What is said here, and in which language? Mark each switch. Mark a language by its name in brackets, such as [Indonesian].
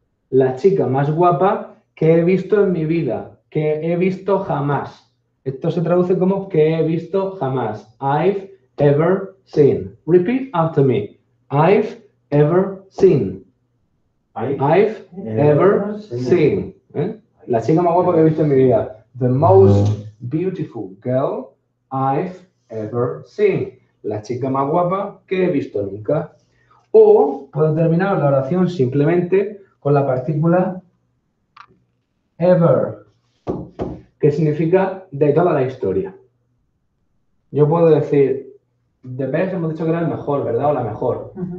[Spanish] La chica más guapa que he visto en mi vida, que he visto jamás. Esto se traduce como que he visto jamás. [English] I've ever seen. Repeat after me. I've ever seen. I've ever seen. [Spanish] ¿Eh? La chica más guapa que he visto en mi vida. [English] The most beautiful girl I've ever seen. [Spanish] La chica más guapa que he visto nunca. O puedo terminar la oración simplemente con la partícula ever, que significa de toda la historia. Yo puedo decir, [English] the best, [Spanish] hemos dicho que era el mejor, ¿verdad? O la mejor.